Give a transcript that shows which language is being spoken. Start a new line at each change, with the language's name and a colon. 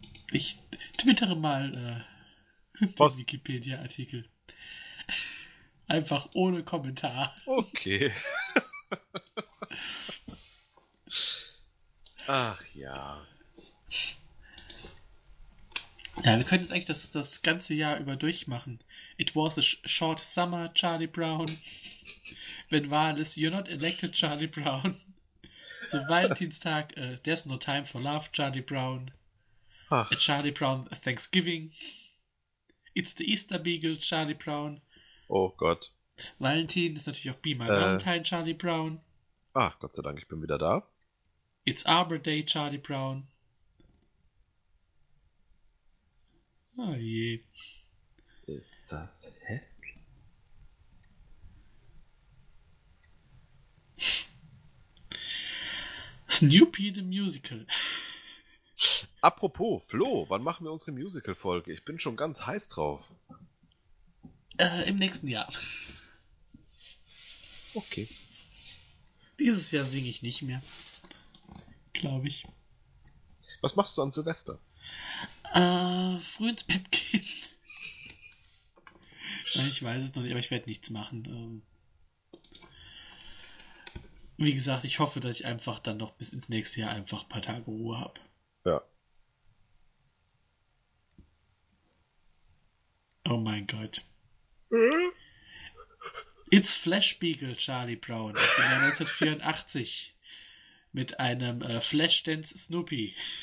German: Ich twittere mal den Wikipedia-Artikel. Einfach ohne Kommentar. Okay. Ach ja. Ja, wir können jetzt eigentlich das ganze Jahr über durchmachen.
English: It was a short summer, Charlie Brown. When Wallace, you're not elected, Charlie Brown.
German: So Valentinstag,
English: there's no time for love, Charlie Brown.
German: Ach.
English: At Charlie Brown Thanksgiving. It's the Easter Beagle, Charlie Brown.
German: Oh Gott. Valentin ist natürlich auch
English: Be My Valentine,
German: Charlie Brown. Ach, Gott sei Dank, ich bin wieder da.
English: It's Arbor Day, Charlie Brown.
German: Oh je. Ist das hässlich?
English: Snoopy the Musical.
German: Apropos, Flo, wann machen wir unsere Musical-Folge? Ich bin schon ganz heiß drauf. Im nächsten Jahr. Okay. Dieses Jahr singe ich nicht mehr. Glaube ich. Was machst du an Silvester? Früh ins Bett gehen. Nein, ich weiß es noch nicht, aber ich werde nichts machen. Wie gesagt, ich hoffe, dass ich einfach dann noch bis ins nächste Jahr einfach ein paar Tage Ruhe habe. Ja. Oh mein Gott.
English: It's Flash Beagle, Charlie Brown.
German: Ich bin ja 1984 mit einem Flashdance Snoopy.